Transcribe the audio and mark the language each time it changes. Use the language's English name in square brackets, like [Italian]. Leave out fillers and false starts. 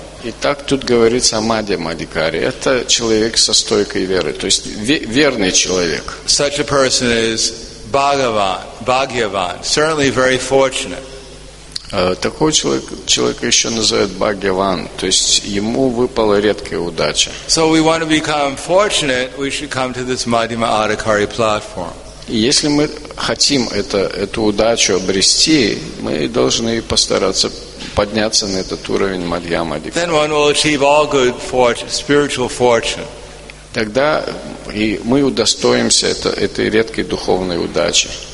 [Russian] Итак, тут говорится о Мадхьяма Адхикари. Это человек со стойкой верой, то есть верный человек. [English] Such a person is Bhagyavan, certainly very fortunate. [Russian] Такого человека еще называют Бхагьяван, то есть ему выпала редкая удача. [English] So we want to become fortunate, we should come to this Madhyama Adhikari platform. [Russian] Если мы хотим эту удачу обрести, мы должны постараться подняться на этот уровень Мадхьяма Адхикари. [English] Then one will achieve all good fortune, spiritual fortune. [Russian] Тогда и мы удостоимся этой редкой духовной удачи.